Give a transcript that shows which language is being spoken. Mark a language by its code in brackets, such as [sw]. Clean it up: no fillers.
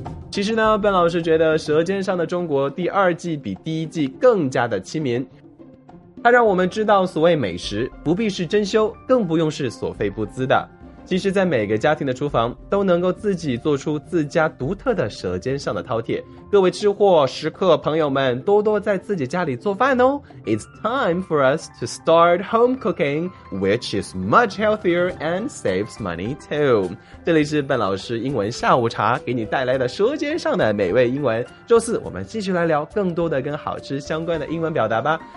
[zh] 其实呢，本老师觉得《舌尖上的中国》第二季比第一季更加的亲民，它让我们知道所谓美食不必是珍馐，更不用是所费不资的。其实在每个家庭的厨房都能够自己做出自家独特的舌尖上的饕餮，各位吃货食客朋友们多多在自己家里做饭哦。 [en] It's time for us to start home cooking, which is much healthier and saves money too. [zh] 这里是笨老师英文下午茶给你带来的舌尖上的美味英文，周四我们继续来聊更多的跟好吃相关的英文表达吧。